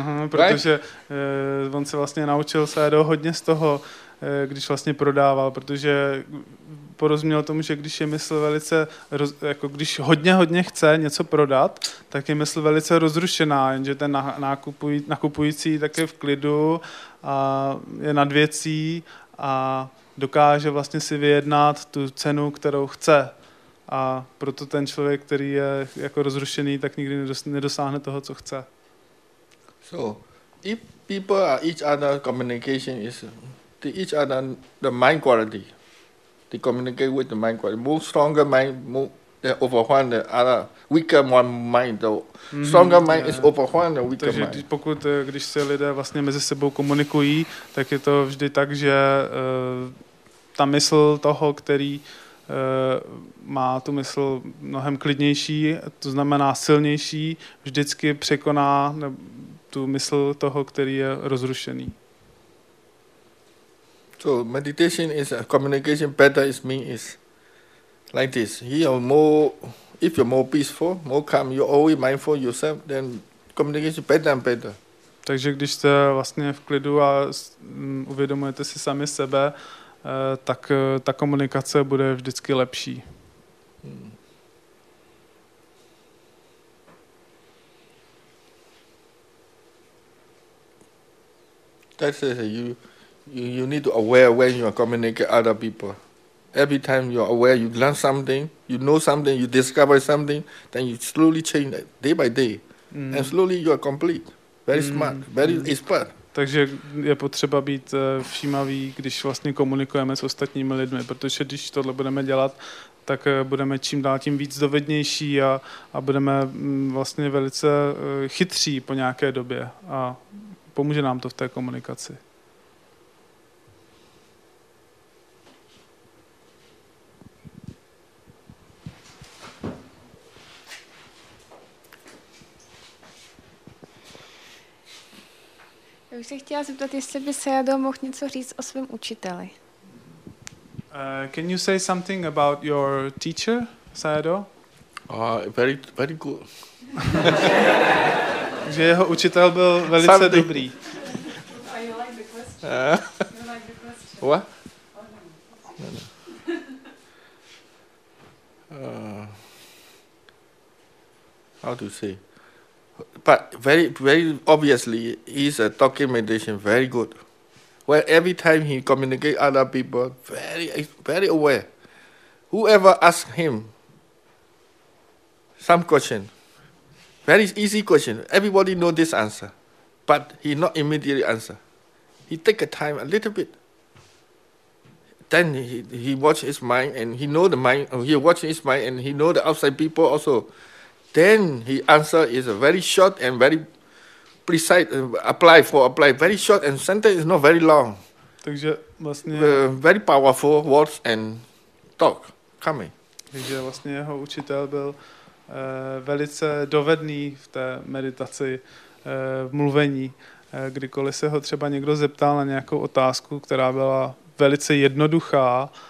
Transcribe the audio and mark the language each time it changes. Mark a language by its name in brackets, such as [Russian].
[Czech] Protože on se vlastně naučil Sédo hodně z toho, když vlastně prodával, protože porozuměl tomu, že když je mysl velice, jako když hodně chce něco prodat, tak je mysl velice rozrušená, jenže ten nakupující tak je v klidu a je nad věcí a dokáže vlastně si vyjednat tu cenu, kterou chce. A proto ten člověk, který je jako rozrušený, tak nikdy nedosáhne toho, co chce. [English] So, if people are each other communication is to each other the mind quality. They communicate with the mind quality. More stronger mind, more they overwhelm the other weaker one mind. The stronger mind is overwhelmed the weaker mind. [Czech] Takže když se lidé vlastně mezi sebou komunikují, tak je to vždy tak, že ta mysl toho, který má tu mysl mnohem klidnější, to znamená silnější, vždycky překoná tu mysl toho, který je rozrušený. [English] So meditation is a communication better is mean is like this. If you're more peaceful, more calm, you're always mindful yourself, then communication better and better. [Czech] Takže když jste vlastně v klidu a uvědomujete si sami sebe, tak ta komunikace bude vždycky lepší. [English] That says that you need to aware when you are communicating with other people. Every time you are aware, you learn something, you know something, you discover something, then you slowly change it day by day. Mm. And slowly you are complete, very smart, very expert. [Czech] Takže je potřeba být všímavý, když vlastně komunikujeme s ostatními lidmi, protože když tohle budeme dělat, tak budeme čím dál tím víc dovednější a budeme vlastně velice chytří po nějaké době a pomůže nám to v té komunikaci. Já bych se chtěla zeptat, jestli by Sayado mohl něco říct o svém učiteli. [English] Can you say something about your teacher, Sayado? Very, very good. [Czech] Že jeho učitel byl velice [English] something. [Czech] Dobrý. [English] You like the question. What? How to say? But very, very obviously, he's a talking meditation, very good. Well, every time he communicate other people, very, very aware. Whoever ask him some question, very easy question, everybody know this answer, but he not immediately answer. He take a time a little bit. Then he watch his mind and he know the mind. He watch his mind and he know the outside people also. Then he answer is a very short and very precise. Apply very short and sentence is not very long. [Czech] Takže vlastně [English] very powerful words and talk coming. [Czech] Takže vlastně jeho učitel byl velice dovedný v té meditaci v mluvení. Kdykoliv se ho třeba někdo zeptal na nějakou otázku, která byla velice jednoduchá.